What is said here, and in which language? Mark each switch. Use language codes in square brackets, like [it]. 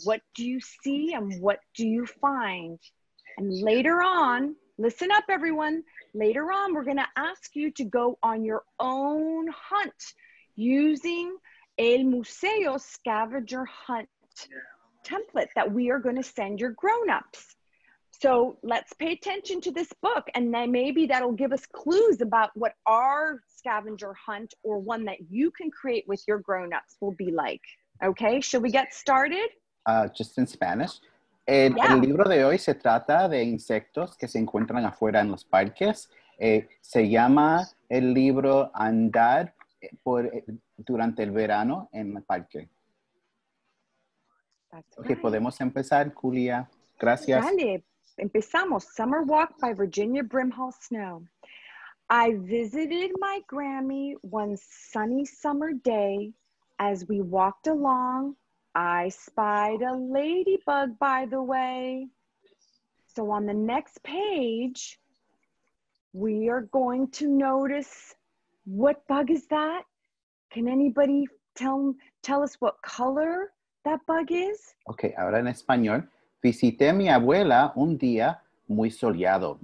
[en] What do you see and what do you find? And later on, listen up everyone, later on we're gonna ask you to go on your own hunt using El Museo Scavenger Hunt template that we are gonna send your grown-ups. So let's pay attention to this book and then maybe that'll give us clues about what our scavenger hunt or one that you can create with your grown-ups will be like. Okay, shall we get started? Just in Spanish. [es] El libro de hoy se trata de insectos que se encuentran afuera en los parques. Se llama el libro Andar durante el verano en el parque. [en] Okay, [es] podemos empezar, Julia. Gracias. Dale. Empezamos, Summer Walk by Virginia Brimhall Snow. [en] I visited my Grammy one sunny summer day. As we walked along, I spied a ladybug by the way. So on the next page, we are going to notice, what bug is that? Can anybody tell us what color that bug is? Okay, ahora en español. [es] Visité a mi abuela un día muy soleado.